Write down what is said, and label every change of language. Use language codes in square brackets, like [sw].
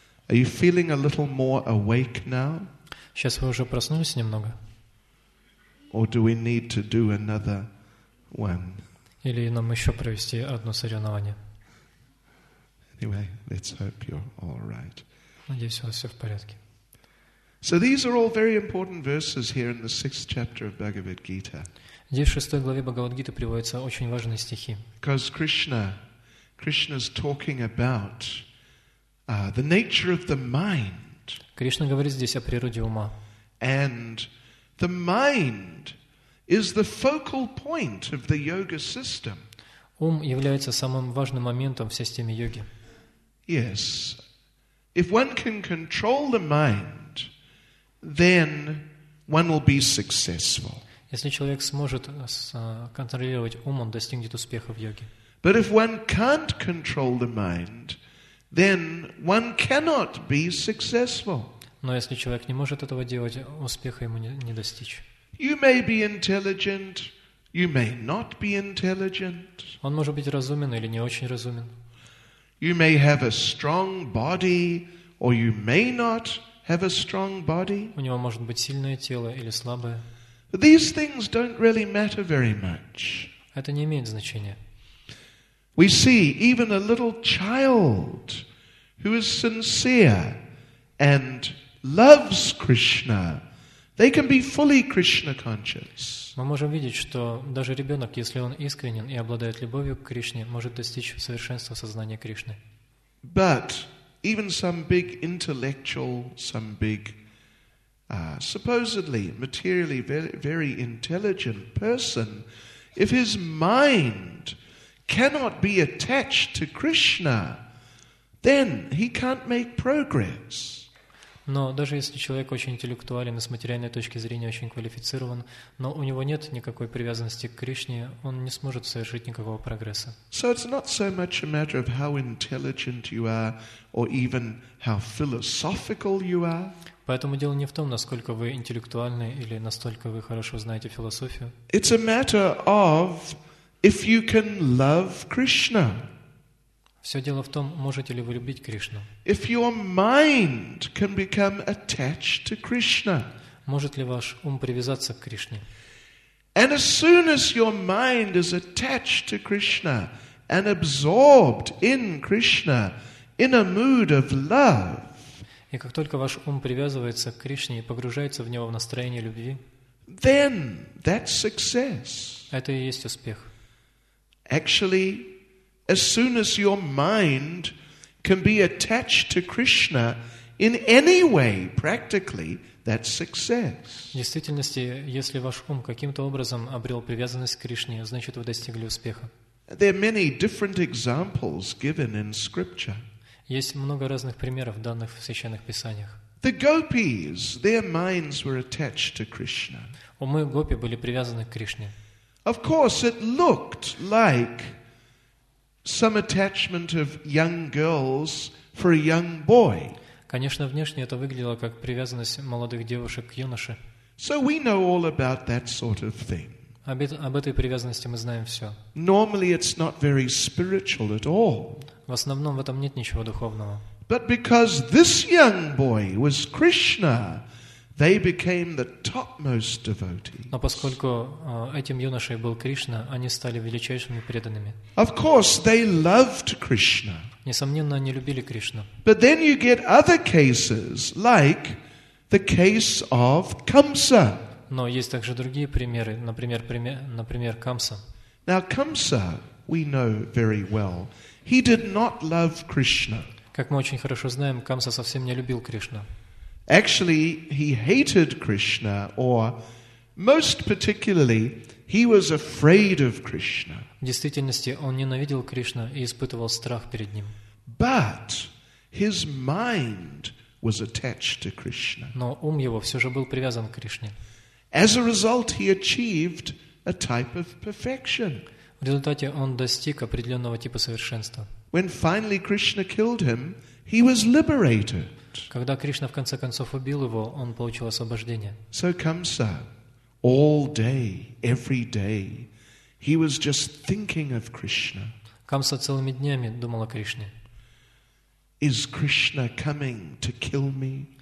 [en] Are you feeling a little more awake now? [ru] Сейчас вы уже проснулись немного? [en] Or do we need to do another one? [ru] Или нам еще провести одно соревнование? [en] Anyway, let's hope you're all right. [ru] Надеюсь, у вас все в порядке. [en] So these are all very important verses here in the 6th chapter of Bhagavad Gita. [ru] Здесь в 6 главе Бхагавад Гиты приводятся очень важные стихи. [en] Because Krishna's talking about the nature of the mind. [ru] Кришна говорит здесь о природе ума. [en] And the mind is the focal point of the yoga system. [ru] Ум является самым важным моментом в системе йоги. [en] Yes. If one can control the mind, then one will be successful. [ru] Если человек сможет контролировать ум, он достигнет успеха в йоге. [en] But if one can't control the mind, then one cannot be successful. [ru] Но если человек не может этого делать, успеха ему не достичь. [en] You may be intelligent, you may not be intelligent. [ru] Он может быть разумен или не очень разумен. [en] You may have a strong body, or you may not. Have a strong body. [ru] У него может быть сильное тело или слабое. [en] These things don't really matter very much. [ru] Это не имеет значения. [en] We see even a little child who is sincere and loves Krishna, they can be fully Krishna conscious. [ru] Мы можем видеть, что даже ребенок, если он искренен и обладает любовью к Кришне, может достичь совершенства сознания Кришны. [en] But even some big intellectual, some big, supposedly materially very, very intelligent person, if his mind cannot be attached to Krishna, then he can't make progress. [ru] Но даже если человек очень интеллектуален и с материальной точки зрения очень квалифицирован, но у него нет никакой привязанности к Кришне, он не сможет совершить никакого прогресса. [en] So it's not so much a matter of how intelligent you are or even how philosophical you are. [ru] Поэтому дело не в том, насколько вы интеллектуальны или настолько вы хорошо знаете философию. [en] It's a matter of if you can love Krishna. [ru] Все дело в том, можете ли вы любить Кришну. [en] If your mind can become attached to Krishna, [ru] может ли ваш ум привязаться к Кришне? [en] And as soon as your mind is attached to Krishna and absorbed in Krishna in a mood of love, [ru] и как только ваш ум привязывается к Кришне и погружается в него в настроение любви, [en] then that's success. [ru] Это и есть успех. [en] Actually, as soon as your mind can be attached to Krishna in any way, practically, that's success. [ru] В действительности, если ваш ум каким-то образом обрел привязанность к Кришне, значит, вы достигли успеха. [en] There are many different examples given in scripture. [ru] Есть много разных примеров, данных в священных писаниях. [en] The gopis, their minds were attached to Krishna. [ru] Умы гопи были привязаны к Кришне. [en] Of course, it looked like some attachment of young girls for a young boy. [ru] Конечно, внешне это выглядело как привязанность молодых девушек к юноше. [en] So we know all about that sort of thing. [ru] Об этой привязанности мы знаем все. [en] Normally it's not very spiritual at all. [ru] В основном в этом нет ничего духовного. [en] But because this young boy was Krishna, they became the topmost devotees. [ru] Но поскольку этим юношей был Кришна, они стали величайшими преданными. [en] Of course, they loved Krishna. [ru] Несомненно, они любили Кришну. [en] But then you get other cases, like the case of Kamsa. [ru] Но есть также другие примеры, например Камса. [en] Now Kamsa, we know very well, he did not love Krishna. [ru] Как мы очень хорошо знаем, Камса совсем не любил Кришну. [en] Actually, he hated Krishna, or most particularly, he was afraid of Krishna. [ru] В действительности, он ненавидел Кришну и испытывал страх перед ним. [en] But his mind was attached to Krishna. [ru] Но ум его все же был привязан к Кришне. [en] As a result, he achieved a type of perfection. [ru] В результате он достиг определенного типа совершенства. [en] When finally Krishna killed him, he was liberated. [ru] Когда Кришна в конце концов убил его, он получил освобождение. [en] So Kamsa, all day, every day, he was just thinking of Krishna. [ru] Камса целыми днями думал о Кришне. [en] Is Krishna coming to kill me?